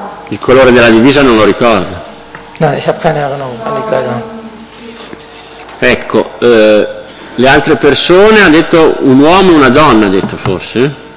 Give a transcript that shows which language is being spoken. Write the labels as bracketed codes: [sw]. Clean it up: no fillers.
[it] Il colore della divisa non lo ricorda. [de] Nein, ich habe keine Erinnerung an die Kleider. [it] Ecco, le altre persone, ha detto un uomo e una donna, ha detto forse?